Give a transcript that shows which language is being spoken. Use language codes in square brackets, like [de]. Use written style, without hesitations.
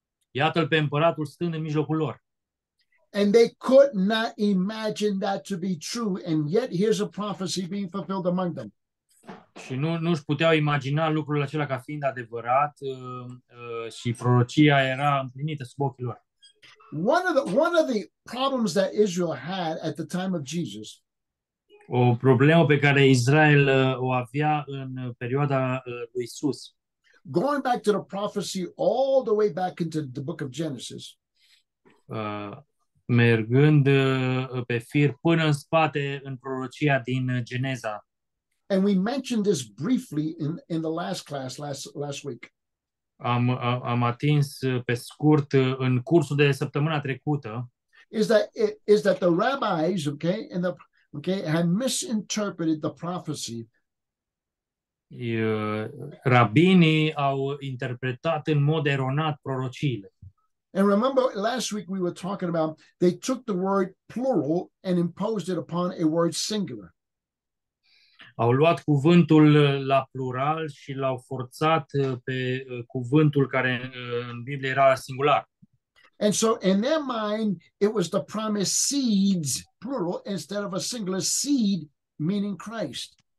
[ro] Iată-l pe împăratul stând în mijlocul lor. [en] And they could not imagine that to be true, and yet here's a prophecy being fulfilled among them. [ro] Și nu își puteau imagina lucrul acela ca fiind adevărat și prorocia era împlinită sub ochii lor. [en] One of the problems that Israel had at the time of Jesus. [ro] O problemă pe care Israel o avea în perioada lui Isus. [en] Going back to the prophecy all the way back into the book of Genesis. [ro] Mergând pe fir până în spate în prorocia din Geneza. [en] And we mentioned this briefly in the last class last week. [ro] Am atins pe scurt în cursul de săptămâna trecută. [en] Is that the rabbis, okay, and the okay, had misinterpreted the prophecy. [ro] Rabinii au interpretat în mod eronat prorociile. [en] And remember, last week we were talking about they took the word plural and imposed it upon a word singular. [ro] Au luat cuvântul la plural și l-au forțat pe cuvântul care în Biblie era singular. [en] And so, in their mind, it was the promised seeds, plural, instead of a singular seed, meaning Christ.